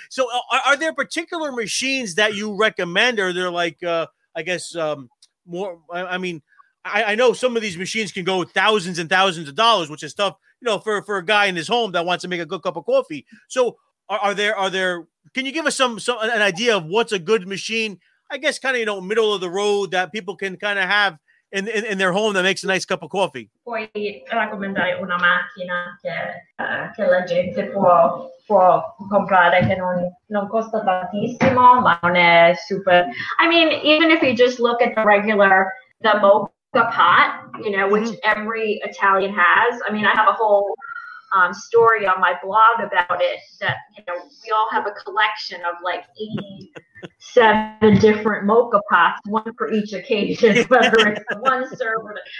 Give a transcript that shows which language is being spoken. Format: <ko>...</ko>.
<en>So are there particular machines that you recommend, or they're like I know some of these machines can go thousands and thousands of dollars, which is tough, you know, for a guy in his home that wants to make a good cup of coffee. So are there, can you give us an idea of what's a good machine? I guess kind of, you know, middle of the road that people can kind of have in their home that makes a nice cup of coffee.</en> <it>Puoi raccomandare una macchina che la gente può comprare, che non costa tantissimo, ma non è super.</it> <en>I mean, even if you just look at the mocha pot, you know, which every Italian has. I mean, I have a whole story on my blog about it, that, you know, we all have a collection of like 87 different mocha pots, one for each occasion, whether it's one serve or not.</en>